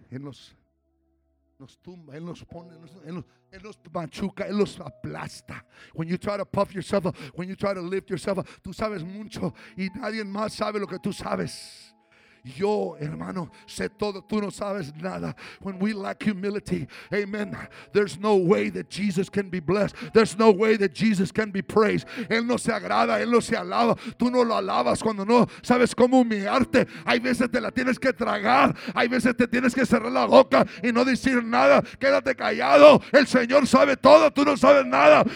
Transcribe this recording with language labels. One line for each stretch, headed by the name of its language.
Spanish: Él nos tumba, Él nos pone, Él nos machuca, Él nos aplasta.
English: When you try to puff yourself up, when you try to lift yourself up,
Spanish: tú sabes mucho y nadie más sabe lo que tú sabes. Yo, hermano, sé todo, tú no sabes nada.
English: When we lack humility, amen, there's no way that Jesus can be blessed. There's no way that Jesus can be praised.
Spanish: Él no se agrada, Él no se alaba. Tú no lo alabas cuando no sabes cómo humillarte. Hay veces te la tienes que tragar. Hay veces te tienes que cerrar la boca y no decir nada. Quédate callado. El Señor sabe todo, tú no sabes nada.